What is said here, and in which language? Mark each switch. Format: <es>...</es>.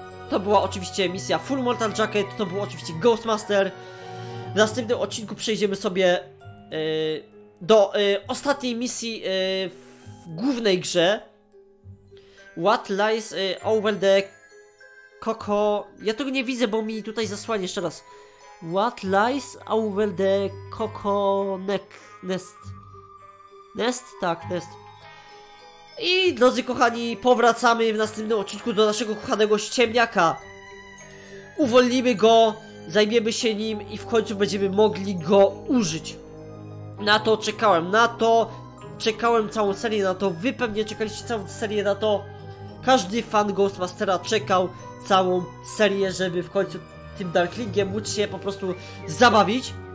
<pl>To była oczywiście misja Full Mortal Jacket, to był oczywiście Ghostmaster. W następnym odcinku przejdziemy sobie do ostatniej misji w głównej grze.</pl> <en>What lies over the Coco...</en> <pl>Ja tego nie widzę, bo mi tutaj zasłanie jeszcze raz.</pl> <en>What lies over the Coco Nest?</en> <pl>Nest? Tak, Nest. I drodzy kochani, powracamy w następnym odcinku do naszego kochanego ściemniaka. Uwolnimy go, zajmiemy się nim i w końcu będziemy mogli go użyć. Na to czekałem, na to czekałem całą serię, na to wy pewnie czekaliście całą serię, na to każdy fan Ghostmastera czekał całą serię, żeby w końcu tym Darklingiem móc się po prostu zabawić.</pl>